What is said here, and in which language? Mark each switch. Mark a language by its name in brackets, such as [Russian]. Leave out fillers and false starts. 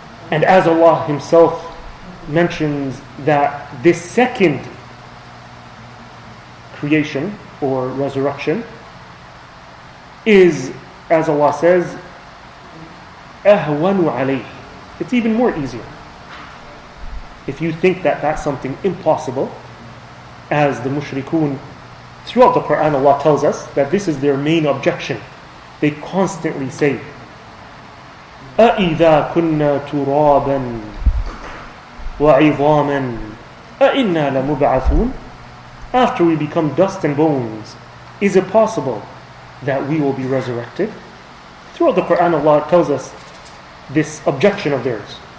[English] And as Allah Himself mentions, that this second creation or resurrection is, as Allah says, [Arabic] أَهْوَنُ عَلَيْهِ. [English] It's even more easier. If you think that that's something impossible, as the mushrikun, throughout the Quran Allah tells us that this is their main objection. They constantly say, [Arabic] أَإِذَا كُنَّا تُرَابًا وَعِظَامًا أَإِنَّا لَمُبْعَثُونَ. [English] After we become dust and bones, is it possible that we will be resurrected? Throughout the Quran Allah tells us this objection of theirs.